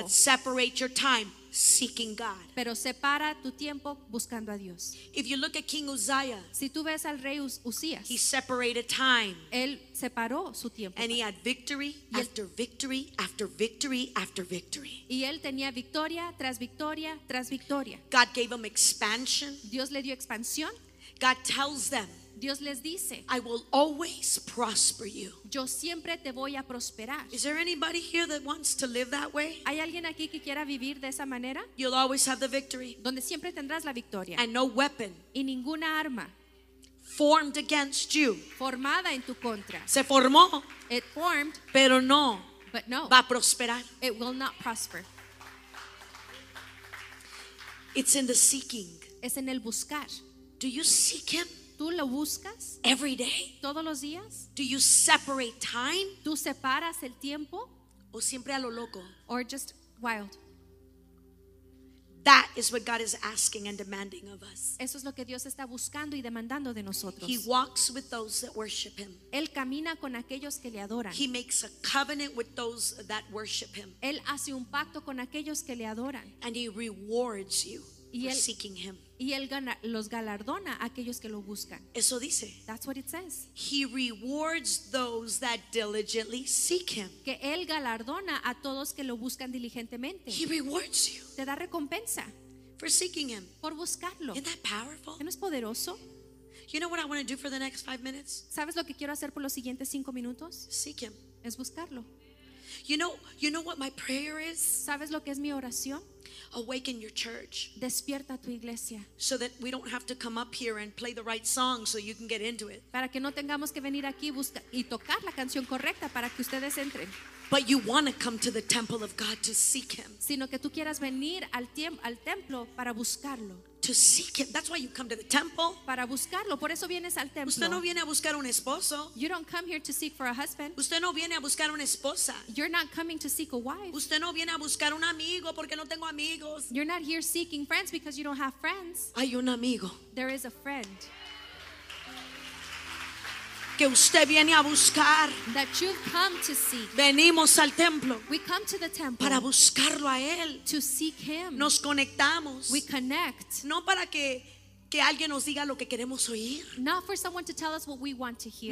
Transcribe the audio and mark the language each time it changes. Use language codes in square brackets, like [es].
[en] But separate your time seeking God. [es] Pero separa tu tiempo buscando a Dios. [en] If you look at King Uzziah, [es] si tú ves al rey Uzías, [en] he separated time. [es] Él separó su tiempo. [en] And he had victory after victory after victory after victory. [es] Y él tenía victoria tras victoria tras victoria. [en] God gave him expansion. [es] Dios le dio expansión. [en] God tells them, [es] Dios les dice, [en] I will always prosper you. [es] Yo siempre te voy a prosperar. [en] Is there anybody here that wants to live that way? [es] ¿Hay alguien aquí que quiera vivir de esa manera? [en] You'll always have the victory. [es] Donde siempre tendrás la victoria. [en] And no weapon. [es] Y ninguna arma. [en] Formed against you. [es] Formada en tu contra. Se formó. [en] It formed. [es] Pero no. [en] But no. [es] Va a prosperar. [en] It will not prosper. It's in the seeking. [es] Es en el buscar. [en] Do you seek him? [es] ¿Tú lo buscas? [en] Every day? [es] ¿Todos los días? [en] Do you separate time? [es] ¿Tú separas el tiempo? ¿O siempre a lo loco? [en] Or just wild? That is what God is asking and demanding of us. [es] Eso es lo que Dios está buscando y demandando de nosotros. [en] He walks with those that worship him. [es] Él camina con aquellos que le adoran. [en] He makes a covenant with those that worship him. [es] Él hace un pacto con aquellos que le adoran. [en] And he rewards you for seeking him. [es] Y él gana, los galardona a aquellos que lo buscan. Eso dice. [en] That's what it says. He rewards those that diligently seek him. [es] Que él galardona a todos que lo buscan diligentemente. [en] He rewards you. [es] Te da recompensa. [en] For seeking him. [es] Por buscarlo. [en] Isn't that powerful? [es] ¿No es poderoso? [en] You know what I want to do for the next 5 minutes? [es] ¿Sabes lo que quiero hacer por los siguientes 5 minutos? [en] Seek him. [es] Es buscarlo. [en] You know what my prayer is? [es] ¿Sabes lo que es mi oración? [en] Awaken your church. [es] Despierta tu iglesia. [en] So that we don't have to come up here and play the right song so you can get into it. [es] Para que no tengamos que venir aquí y tocar la canción correcta para que ustedes entren. [en] But you want to come to the temple of God to seek him. [es] Sino que tú quieras venir al templo para buscarlo. [en] To seek him. That's why you come to the temple. [es] Para buscarlo, por eso vienes al templo. Usted no viene a buscar un esposo. [en] You don't come here to seek for a husband. [es] Usted no viene a buscar una esposa. [en] You're not coming to seek a wife. [es] Usted no viene a buscar un amigo porque no tengo amigos. [en] You're not here seeking friends because you don't have friends. [es] Hay un amigo. [en] There is a friend. [es] que usted viene a buscar. [en] That you've come to seek. [es] Venimos al templo. [en] We come to the temple. [es] Para buscarlo a él. [en] To seek him. [es] Nos conectamos. [en] We connect. [es] No para que alguien nos diga lo que queremos oír. [en] Not for someone to tell us what we want to hear.